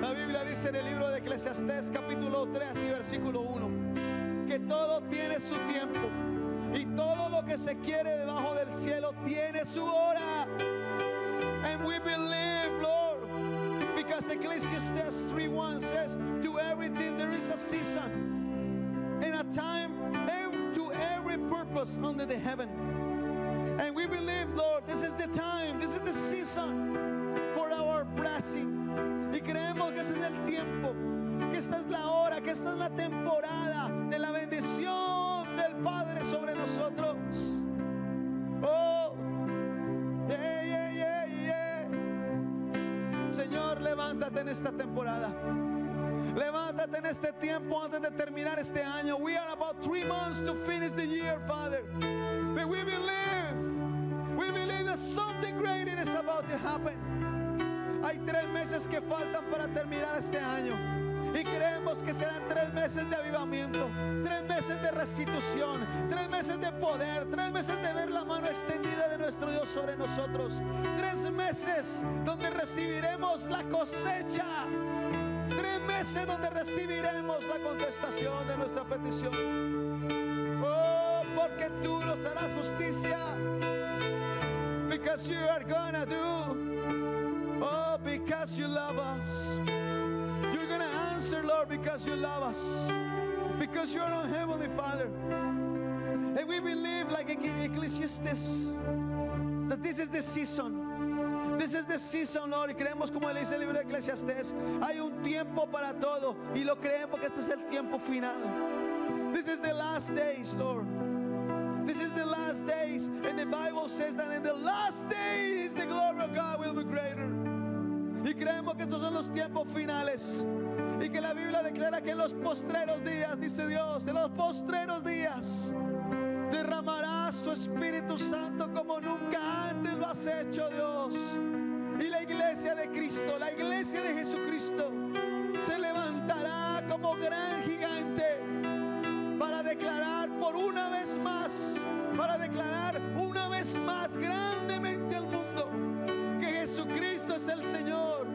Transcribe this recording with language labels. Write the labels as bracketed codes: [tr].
[es] La Biblia dice en el libro de Eclesiastés, capítulo 3 y versículo 1, que todo tiene su tiempo y todo lo que se quiere debajo del cielo tiene su hora. [en] And we believe, Lord, because Ecclesiastes 3:1 says, to everything there is a season and a time, to every purpose under the heaven. And we believe, Lord, this is the time, this is the season for our blessing. [es] Y creemos que ese es el tiempo, que esta es la hora, que esta es la temporada de la bendición del Padre sobre nosotros. Oh, yeah, yeah, yeah, yeah. Señor, levántate en esta temporada. Levántate en este tiempo antes de terminar este año. [en] We are about 3 months to finish the year, Father. But we believe that something greater is about to happen. [es] Hay 3 meses que faltan para terminar este año. Y creemos que serán 3 meses de avivamiento, 3 meses de restitución, 3 meses de poder, 3 meses de ver la mano extendida de nuestro Dios sobre nosotros, 3 meses donde recibiremos la cosecha, 3 meses donde recibiremos la contestación de nuestra petición. Oh, porque tú nos harás justicia. [en] Because you are gonna do. Oh, because you love us. Lord, because you love us, because you are our heavenly Father, and we believe like Ecclesiastes that this is the season. This is the season, Lord. [es] Y creemos como le dice el libro de Ecclesiastes, hay un tiempo para todo, y lo creemos que este es el tiempo final. [en] This is the last days, Lord. This is the last days, and the Bible says that in the last days the glory of God will be greater. [es] Y creemos que estos son los tiempos finales. Y que la Biblia declara que en los postreros días, dice Dios, en los postreros días, derramarás tu Espíritu Santo como nunca antes lo has hecho, Dios. Y la iglesia de Cristo, la iglesia de Jesucristo, se levantará como gran gigante para declarar por una vez más, para declarar una vez más grandemente al mundo que Jesucristo es el Señor.